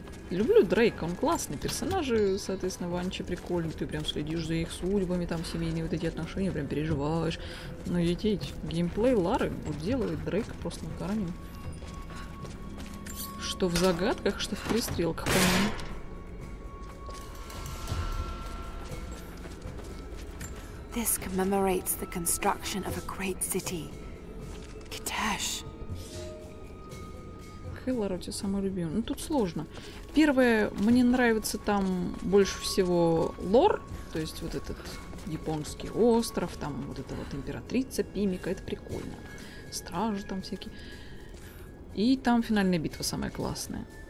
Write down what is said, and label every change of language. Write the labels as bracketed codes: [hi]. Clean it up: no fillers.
[ru] Люблю Дрейка, он классный. Персонажи, соответственно, Ванчи прикольные. Ты прям следишь за их судьбами, там семейные вот эти отношения, прям переживаешь. Но едеть, геймплей Лары вот делает Дрейка просто на грани. Что в загадках, что в пристрелках, по-моему. [en] This commemorates the construction of a great city. [ru] Китеш. Хиллар у тебя самый любимый. Ну, тут сложно. Первое, мне нравится там больше всего лор, то есть вот этот японский остров, там вот эта вот императрица Пимика, это прикольно. Стражи там всякие. И там финальная битва самая классная.